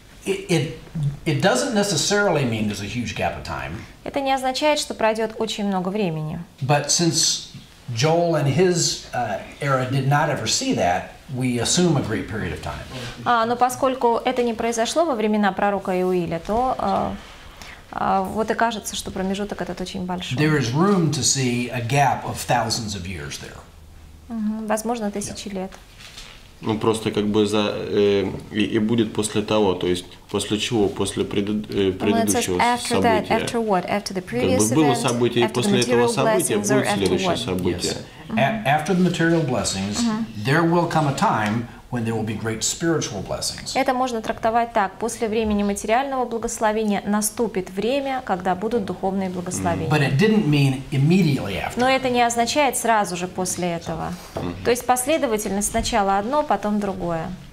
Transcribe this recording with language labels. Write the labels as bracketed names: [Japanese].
[English] It doesn't necessarily mean there's a huge gap of time. [Russian] Это не означает, что пройдет очень много времени. [English] But since Joel and his era did not ever see that, we assume a great period of time. [Russian] А, но поскольку это не произошло во времена пророка Иоиля, то вот и кажется, что промежуток этот очень большой. [English] There is room to see a gap of thousands of years there. [Russian] Возможно, тысячи лет. Ну просто как бы за и будет после того, то есть после чего, после предыдущего [English] after [Russian] события. [English] That, after what? After the previous [Russian] как бы было [English] event, [Russian] событие, и после этого события будет следующее [English] what? [Russian] Событие. [English] Yes. After the material blessings, there will come a time when there will be great spiritual blessings. [Russian] Это можно трактовать так: после времени материального благословения наступит время, когда будут духовные благословения. [English] But it didn't mean immediately after. [Russian] Но это не означает сразу же после этого. То есть последовательность: сначала одно, потом другое.